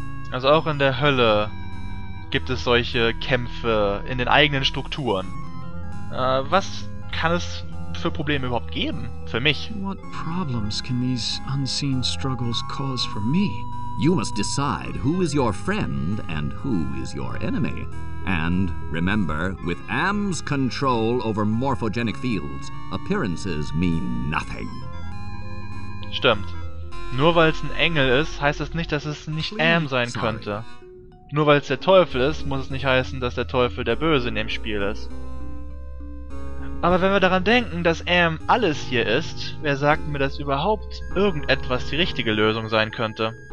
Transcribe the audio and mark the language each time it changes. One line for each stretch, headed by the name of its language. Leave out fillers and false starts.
German: Also auch in der Hölle gibt es solche Kämpfe in den eigenen Strukturen. Was kann es für Probleme überhaupt geben für mich?
English: What problems can these unseen struggles cause for me? You must decide who is your friend and who is your enemy. And remember, with Am's control over morphogenic fields, appearances mean nothing.
German: Stimmt. Nur weil es ein Engel ist, heißt es nicht, dass es nicht Am sein könnte. Nur weil es der Teufel ist, muss es nicht heißen, dass der Teufel der Böse in dem Spiel ist. Aber wenn wir daran denken, dass Am alles hier ist, wer sagt mir, dass überhaupt irgendetwas die richtige Lösung sein könnte?